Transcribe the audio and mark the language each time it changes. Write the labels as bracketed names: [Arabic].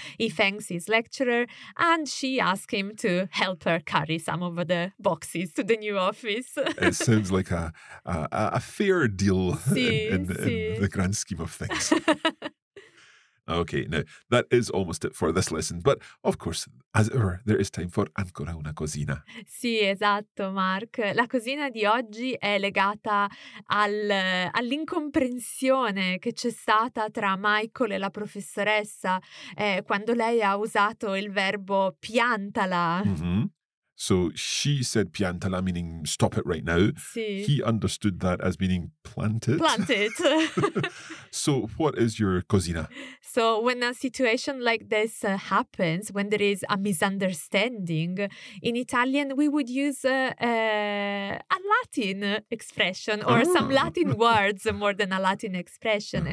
[English] He thanks his lecturer and she asks him to help her carry some of the boxes to the new office. It sounds like a fair deal in the grand scheme of things. Okay, now, that is almost it for this lesson. But, of course, as ever, there is time for [Italian] ancora una cosina. Sì, esatto, Mark. La cosina di oggi è legata all'incomprensione che c'è stata tra Michael e la professoressa quando lei ha usato il verbo piantala. Mm-hmm. [English] So she said piantala, meaning stop it right now. [Italian] Sì. [English] He understood that as meaning plant it. Plant it. So what is your cosina? So when a situation like this happens, when there is a misunderstanding, in Italian we would use a Latin expression or some Latin words more than a Latin expression.